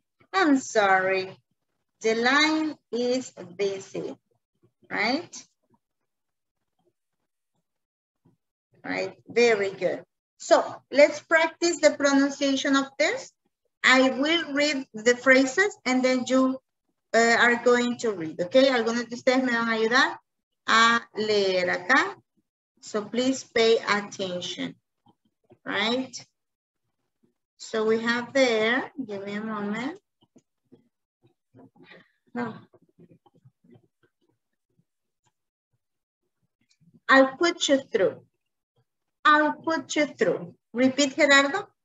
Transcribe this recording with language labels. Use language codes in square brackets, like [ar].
[en] I'm sorry. The line is busy, right? Right, very good. So let's practice the pronunciation of this. I will read the phrases and then you are going to read, okay? [es] Algunos de ustedes me van a ayudar a leer acá. [en] So please pay attention, right? So we have there, give me a moment. Oh. I'll put you through. I'll put you through. Repeat, Gerardo.